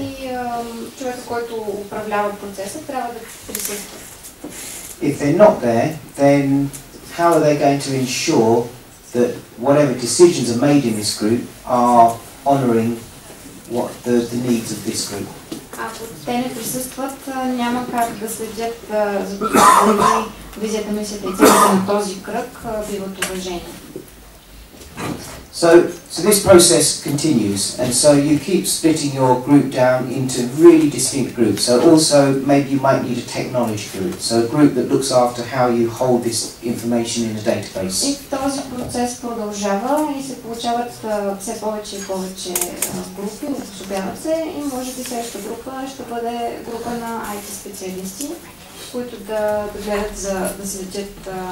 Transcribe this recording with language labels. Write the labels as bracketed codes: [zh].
[bg] И човека, който управлява процеса, трябва да присъства. [en] If they're not there, then how are they going to ensure that whatever decisions are made in this group are honoring what the needs of this group? [bg] Ако те не присъстват, няма как да следят за това визията, мисията и целите на този кръг биват уважени. [en] So this process continues, and so you keep splitting your group down into really distinct groups. So also, maybe you might need a technology group, so a group that looks after how you hold this information in a database. [bg] И този процес продължава и се получават все повече и повече групи, обособяват се, и може би следващата група ще бъде група на [en] IT [bg] специалисти, които да гледат да се лечат